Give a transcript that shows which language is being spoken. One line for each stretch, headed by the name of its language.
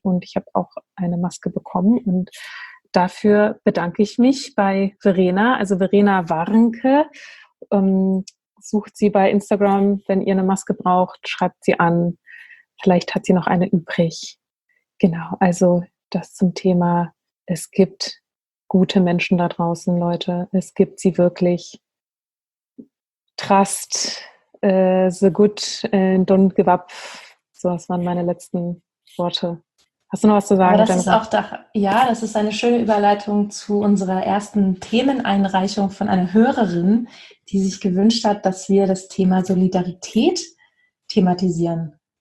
German: Und ich habe auch eine Maske bekommen. Und dafür bedanke ich mich bei Verena, also Verena Warnke. Sucht sie bei Instagram, wenn ihr eine Maske braucht, schreibt sie an. Vielleicht hat sie noch eine übrig. Genau, also das zum Thema, es gibt gute Menschen da draußen, Leute. Es gibt sie wirklich.
English: Trust the good and don't give up.
German: So, das waren meine letzten Worte. Hast du noch was zu sagen? Aber das ist auch das ist eine schöne Überleitung zu unserer ersten Themeneinreichung von einer Hörerin, die sich gewünscht hat, dass wir das Thema Solidarität thematisieren.